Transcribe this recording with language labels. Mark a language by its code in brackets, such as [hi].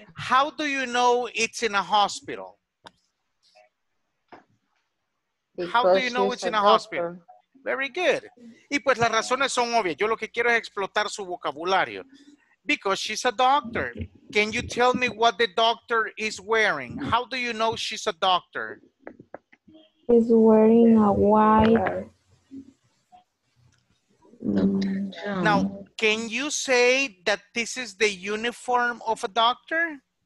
[en] How do you know it's in a hospital? How do you know it's in a hospital? Very good. [es] Y pues las razones son obvias. Yo lo que quiero es explotar su vocabulario. [en] Because she's a doctor. Can you tell me what the doctor is wearing? How do you know she's a doctor? She's wearing a white. Now, can you say that this is the uniform of a doctor?